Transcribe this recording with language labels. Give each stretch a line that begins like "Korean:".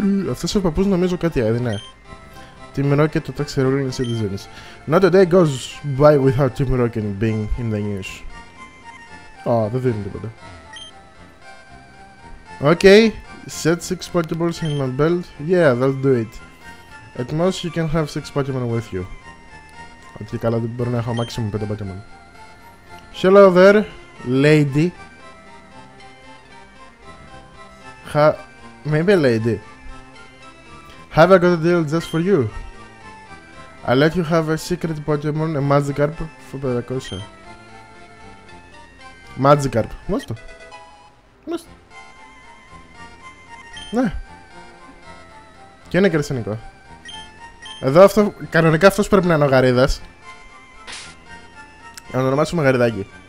Greek: Αυτός ο παππούς νομίζω κάτι έδινε.
English: Team Rocket
Greek: και το
English: Taxi Rolling Citizens. Not a day goes by without Team Rocket being in the news.
Greek: Oh, δεν δίνει τίποτα.
English: Okay, set 6 Pokeballs in my belt. Yeah, that'll do it. At most you can have 6 Pokemon with you.
Greek: Ότι καλά, δεν μπορώ να έχω maximum 5 Pokemon.
English: Hello there, lady. Maybe lady. Have a good deal just for you. I'll let you have a secret Pokemon, a Magikarp for 500.
Greek: Magikarp, γνωστό. Γνωστό. Ναι. Και είναι κερσενικό. Εδώ αυτό, κανονικά αυτός πρέπει να είναι ο Γαρίδας. Να το ονομάσουμε Γαριδάκι.